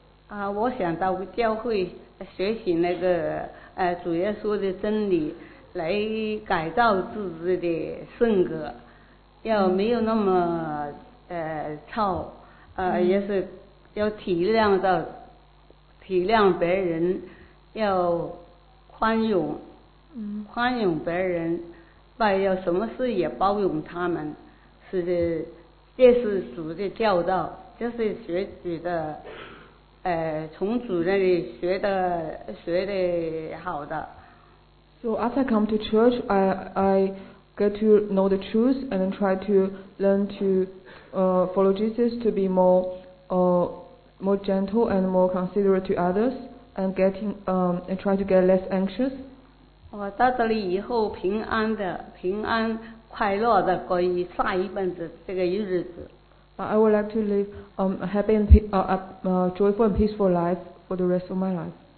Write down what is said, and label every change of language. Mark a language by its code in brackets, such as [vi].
[zh] 我想到教会学习那个主耶稣的真理，来改造自己的性格，要没有那么糙，也是要体谅到体谅别人，要宽容，宽容别人。拜要什么事也包容他们，是的，这是主的教导，这是学主的，从主那里学的好的。 [en] So after I come to church, I get to know the truth and then try to learn to follow Jesus to be more gentle and more considerate to others and getting and try to get less anxious. [zh] 我到这里以后平安的平安快乐的过一下一辈子这个日子。 [en] I would like to live a happy and joyful and peaceful life for the rest of my life.